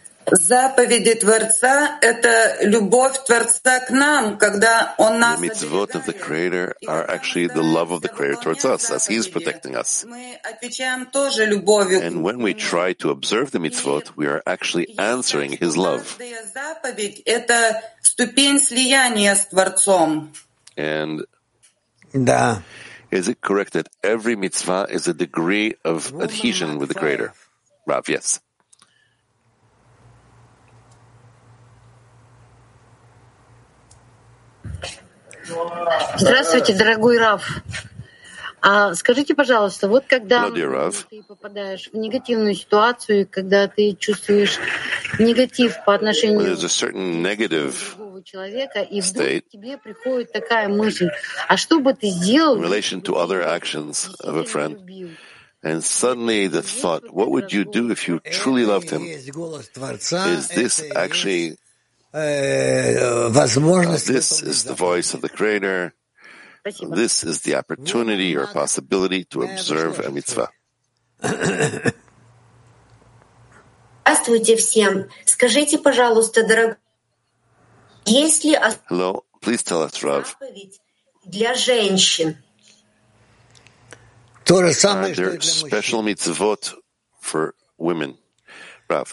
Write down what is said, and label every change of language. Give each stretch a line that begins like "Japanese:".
Russian: Заповеди Творца — это любовь Творца к нам, когда Он нас оберегает.
English: The mitzvot of the Creator are actually the love of the Creator towards us, as He is protecting us. And when we try to observe the mitzvot, we are actually answering His love.
Russian: Заповедь — это ступень слияния с Творцом.
English: And
Russian: да.
English: Is it correct that every mitzvah is a degree of adhesion with the Creator? Rav, yes.
Russian: Здравствуйте, дорогой Рав. А скажите, пожалуйста, вот когда ты попадаешь в негативную ситуацию, когда ты чувствуешь негатив по отношению к другому человеку, и вдруг тебе приходит такая мысль: а что бы ты сделал?
English: In relation to other actions of a friend. And suddenly the thought: what would you do if you truly loved him? Is this actually? This is the voice of the Creator.
Russian: Спасибо.
English: This is the opportunity or possibility to observe a mitzvah.
Russian: Здравствуйте всем. Скажите, пожалуйста, дорогой, есть ли
English: Hello, please tell us, Rav.
Russian: Для женщин.
English: Are there special mitzvot for women, Rav?